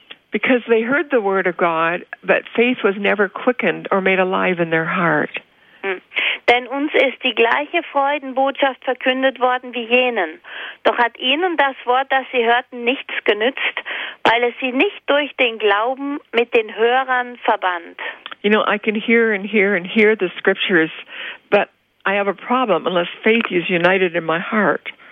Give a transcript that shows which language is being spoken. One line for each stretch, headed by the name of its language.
English: Because they heard the word of God, but faith was never quickened or made alive in their heart.
German: Denn uns ist die gleiche Freudenbotschaft verkündet worden wie jenen. Doch hat ihnen das Wort, das sie hörten, nichts genützt, weil es sie nicht durch den Glauben mit den Hörern verband.
English: You know, I can hear and hear and hear the scriptures, but I have a problem unless faith is united in my heart.